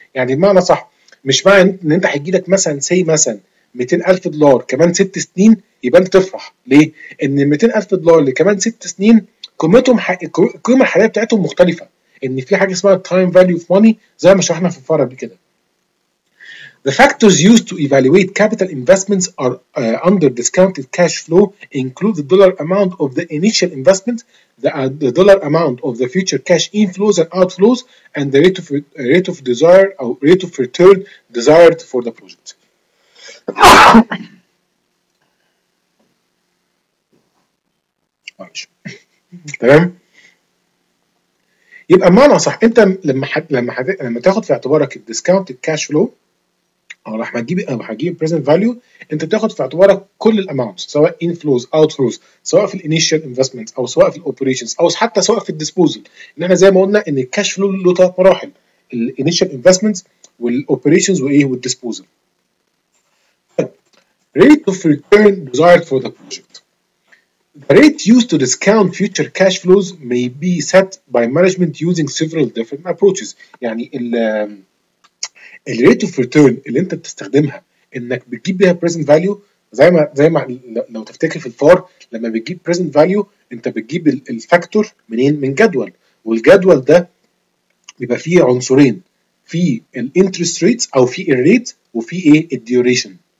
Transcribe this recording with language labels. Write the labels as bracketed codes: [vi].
[ar] يعني بمعنى صح مش معنى ان انت هيجي لك مثلا سي مثلا 200000 دولار كمان 6 سنين يبقى انت تفرح. ليه؟ ان ال 200000 دولار اللي كمان 6 سنين قيمتهم القيمه الحاليه بتاعتهم مختلفه، ان في حاجه اسمها time value of money زي ما شرحنا في الفقره قبل كده. [en] The factors used to evaluate capital investments are under discounted cash flow include the dollar amount of the initial investment, the dollar amount of the future cash inflows and outflows and the rate of desire or rate of return desired for the project. [ar] تمام. يبقى معنى صح، انت لما تاخد في اعتبارك الديسكاونت الكاش فلو، او راح تجيب البريزنت فاليو، انت تاخد في اعتبارك كل الاماونت، سواء ان فلوز اوت فلوز، سواء في الانيشال انفستمنت او سواء في الاوبريشنز او حتى سواء في الديسبوزل. ان احنا زي ما قلنا ان الكاش فلو له ثلاث مراحل، الانيشال انفستمنت والاوبريشنز وايه والديسبوزل. [en] rate of return desired for the project. The rate used to discount future cash flows may be set by management using several different approaches. [ar] يعني ال rate of return اللي انت بتستخدمها انك بتجيب بيها present value، زي ما لو تفتكر في الفار، لما بتجيب present value انت بتجيب الفاكتور منين؟ من جدول، والجدول ده بيبقى فيه عنصرين، في الانترست ريتس او في الريت وفي ايه الديوريشن.